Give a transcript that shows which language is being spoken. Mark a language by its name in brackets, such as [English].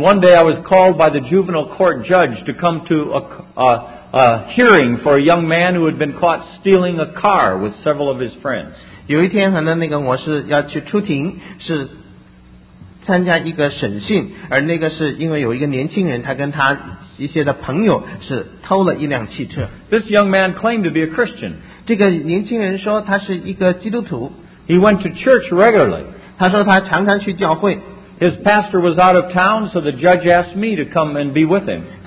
[English] one day I was called by the juvenile court judge to come to a hearing for a young man who had been caught stealing a car with several of his friends. [Chinese] 有一天我是要去出庭，是参加一个审讯，而那个是因为有一个年轻人，他跟他一些的朋友是偷了一辆汽车。 [English] This young man claimed to be a Christian. [Chinese] 这个年轻人说他是一个基督徒。 [English] He went to church regularly. [Chinese] 他说他常常去教会。 [English] His pastor was out of town, so the judge asked me to come and be with him.